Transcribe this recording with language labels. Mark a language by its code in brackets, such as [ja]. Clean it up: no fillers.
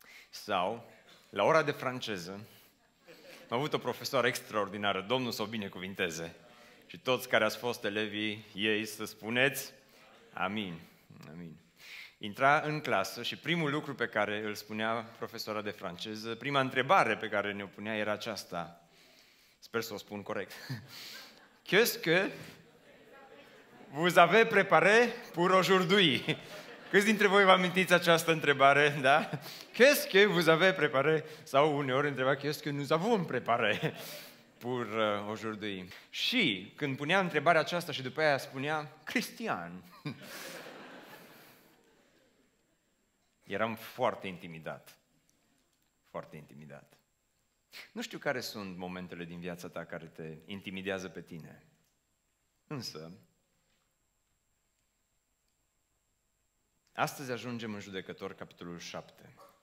[ro] Sau, la ora de franceză, am avut o profesoară extraordinară, Domnul să o binecuvinteze, și toți care ați fost elevii ei să spuneți amin. Amin. Intra în clasă și primul lucru pe care îl spunea profesora de franceză, prima întrebare pe care ne-o punea era aceasta. Sper să o spun corect. [fr] Qu'est-ce que vous avez préparé pour aujourd'hui? [ro] Câți dintre voi vă amintiți această întrebare, da? [fr] Qu'est-ce que vous avez préparé? [ro] Sau uneori întreba, [fr] qu'est-ce que nous avons préparé pour aujourd'hui? [ro] Și când punea întrebarea aceasta și după aia spunea, Cristian... Eram foarte intimidat, foarte intimidat. Nu știu care sunt momentele din viața ta care te intimidează pe tine, însă astăzi ajungem în Judecător, capitolul 7.